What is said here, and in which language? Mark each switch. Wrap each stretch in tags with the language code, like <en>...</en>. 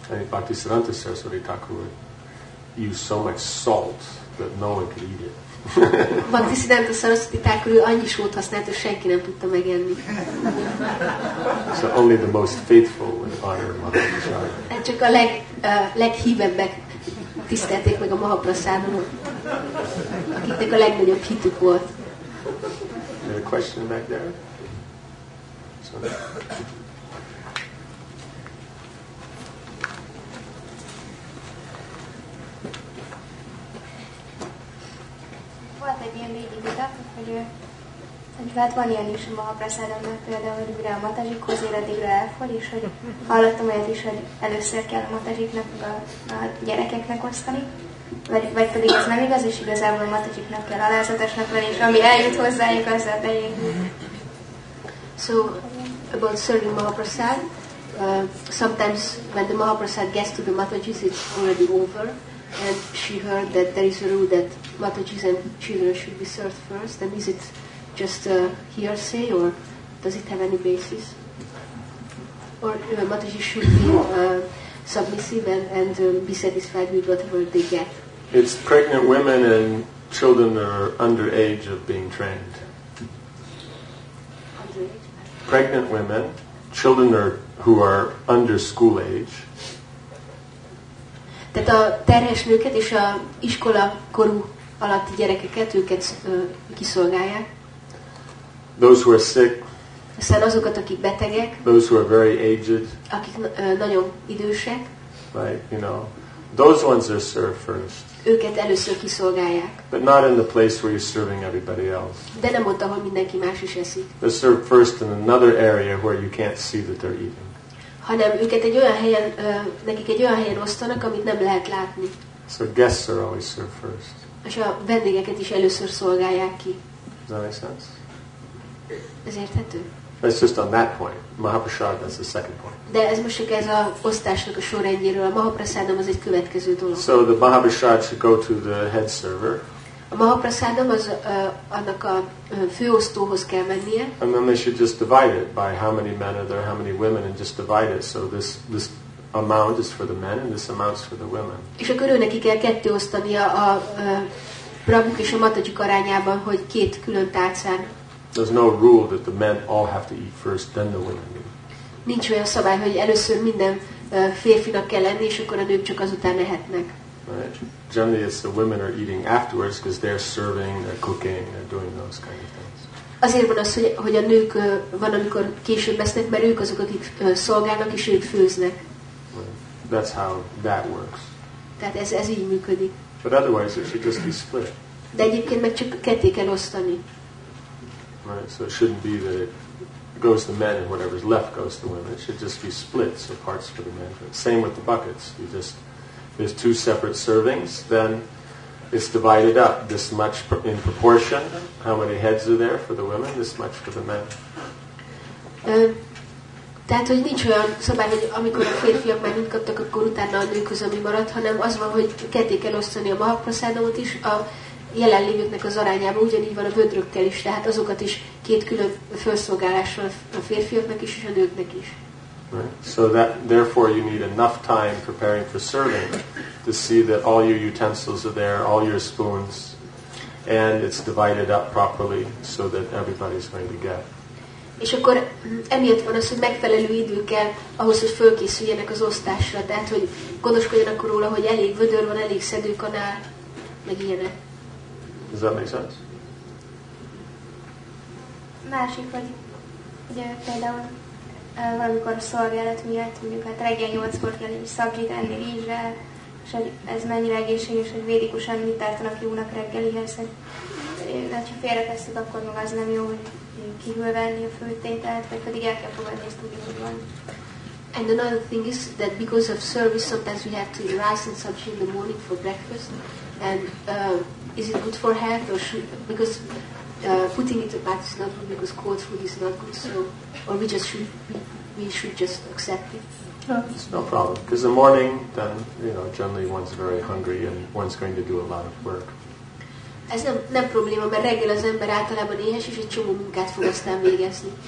<en>Bhaktisiddhanta Saraswati Thakur used so much salt that no one could eat it.</en> <hu>Bhaktisiddhanta Saraswati Thakur annyi sót használt, hogy senki nem tudta megenni.</hu> <en>So only the most faithful and honored Mahaprasadam.</en> <hu>Hát csak a leghívebbek tisztelték meg a Mahaprasadamot, akiknek a legnagyobb hitük volt.</hu> <en>You had a question back there?</en> <hu>Volt egy ilyen régi vita, hogy hát van ilyen is a Mahaprasadamnak például, hogy mire a matazsik hozzél, addigra elfogy, és hogy hallottam olyat is, hogy először kell a matazsiknak a gyerekeknek osztani, vagy pedig ez nem igaz, és igazából a matazsiknak kell alázatosnak lenni, és ami eljut hozzájuk, az a bejég.</hu> <en>So, about serving Mahaprasad, sometimes when the Mahaprasad gets to the Matajis, it's already over, and she heard that there is a rule that Matajis and children should be served first, and is it just a hearsay, or does it have any basis? Or Matajis should be submissive and be satisfied with whatever they get? It's pregnant women and children that are under age of being trained. Pregnant women, children who are under school age.</en> <hu>Tehát a terhes nőket és a iskola korú alatti gyerekeket, őket kiszolgálják.</hu> <en>Those who are sick.</en> <hu>Aztán azokat, akik betegek.</hu> <en>Those who are very aged.</en> <hu>Akik nagyon idősek.</hu> <en>Right, you know. Those ones are served first.</en> <hu>Őket először kiszolgálják.</hu> <en>But not in the place where you're serving everybody else.</en> <hu>De nem ott, ahol mindenki más is eszik.</hu> <en>They're served first in another area where you can't see that they're eating.</en> <hu>Hanem őket egy olyan helyen, nekik egy olyan helyen osztanak, amit nem lehet látni.</hu> <en>So guests are always served first.</en> <hu>És a vendégeket is először szolgálják ki.</hu> <en>Does that make sense?</en> <hu>Ez érthető?</hu> <en>It's just on that point. Mahaprasad, that's the second point.</en> <hu>De ez most csak ez a osztásnak a sorrendjéről. A Mahaprasadam az egy következő dolog.</hu> <en>So the Mahaprasad should go to the head server.</en> <hu>A Mahaprasadam az annak a főosztóhoz kell mennie.</hu> <en>And then they should just divide it by how many men are there, how many women, and just divide it. So this amount is for the men, and this amount is for the women.</en> <hu>És akkor ő neki kell ketté osztania a Prabhuk és a Matajik arányában, hogy két külön tárcán.</hu> <en>There's no rule that the men all have to eat first, then the women eat.</en> <hu>Nincs olyan szabály, hogy először minden férfinak kell lenni, és akkor a nők csak azután ehetnek.</hu> <en>Right. Generally, it's the women are eating afterwards because they're serving, they're cooking, they're doing those kind of things.</en> <hu>Azért van az, hogy a nők van, amikor később esznek, mert ők azok, akik szolgálnak, és ők főznek.</hu> <en>Right. That's how that works.</en> <hu>Tehát ez így működik.</hu> <en>But otherwise, it should just be split.</en> <hu>De egyébként meg csak ketté kell osztani.</hu> <en>Right. So it shouldn't be that goes the men and whatever's left goes to women. It should just be split, so parts for the men. Same with the buckets. You just, there's two separate servings, then it's divided up this much in proportion. How many heads are there for the women? This much for the men.</en> <hu>Tehát, hogy nincs olyan szabály, hogy amikor a férfiak már mind kaptak, akkor utána a nők az, ami maradt, hanem az van, hogy ketté kell osztani a Mahaprasadamot is, a jelenlévőknek az arányában, ugyanígy van a vödrökkel is, tehát azokat is két külön felszolgálással a férfiaknak is és a nőknek is.</hu> <en>Right. So that therefore you need enough time preparing for serving to see that all your utensils are there, all your spoons, and it's divided up properly so that everybody's going to get.</en> <hu>És akkor emiatt van az, hogy megfelelő idő kell ahhoz, hogy fölkészüljenek az osztásra, tehát hogy gondoskodjanak róla, hogy elég vödör van, elég szedőkanál, meg ilyenek.</hu> <en>Does that make sense?</en> <hu>Másik, hogy ugye például valamikor a szolgálat miatt, mondjuk hát reggel 8-kor kell egy szaglit enni rizsrel, és hogy ez mennyire egészséges, hogy védikusan mit tartanak jónak reggelihez, hogy ha félretesszük, akkor meg az nem jó, hogy kihűl venni a főtételt, vagy pedig el kell fogadni, ezt úgy, hogy van.</hu> <en>And another thing is that because of service, sometimes we have to eat rice and sabji in the morning for breakfast, and is it good for health or should, because putting it apart is not good because cold food is not good, so, or we should just accept it. Yeah, it's no problem. Because in the morning, then, you know, generally one's very hungry and one's going to do a lot of work.</en> <hu>Ez nem probléma, mert reggel az ember általában éhes, és egy csomó munkát fog aztán végezni.</hu>